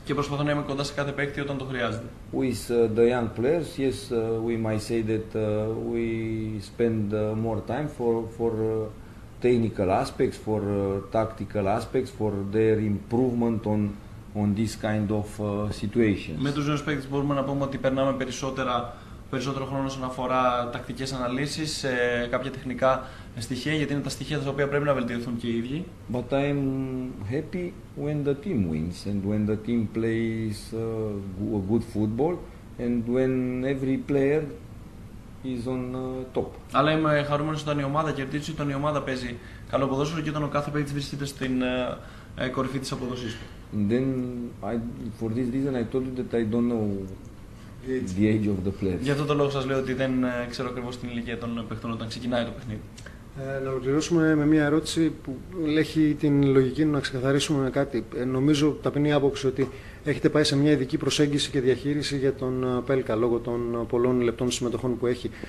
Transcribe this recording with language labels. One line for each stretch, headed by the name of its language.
Greek: Και προσπαθώ να είμαι κοντά σε κάθε παίκτη όταν το χρειάζεται.
English: With the young players, yes, we might say that we spend more time for technical aspects, for tactical aspects, for their improvement on this kind of situations.
Greek: Με τους νέους παίκτες μπορούμε να πούμε ότι περνάμε περισσότερο χρόνο όσον αφορά τακτικές αναλύσεις, κάποια τεχνικά στοιχεία, γιατί είναι τα στοιχεία τα οποία πρέπει να βελτιωθούν και οι ίδιοι.
English: But I'm happy when the team wins and when the team plays good football and when every player is on top.
Greek: Αλλά είμαι χαρούμενος όταν η ομάδα κερδίζει, όταν η ομάδα παίζει καλό ποδόσφαιρο και όταν ο κάθε παίκτης βρίσκεται στην κορυφή της αποδοσής του.
English: And then, for this reason, I told you that I don't know The age of the players.
Greek: Γι' αυτό το λόγο σας λέω ότι δεν ξέρω ακριβώς την ηλικία των παιχτών όταν ξεκινάει το παιχνίδι. Να ολοκληρώσουμε με μια ερώτηση που έχει την λογική να ξεκαθαρίσουμε κάτι. Νομίζω ταπεινή άποψη ότι έχετε πάει σε μια ειδική προσέγγιση και διαχείριση για τον Πέλκα λόγω των πολλών λεπτών συμμετοχών που έχει.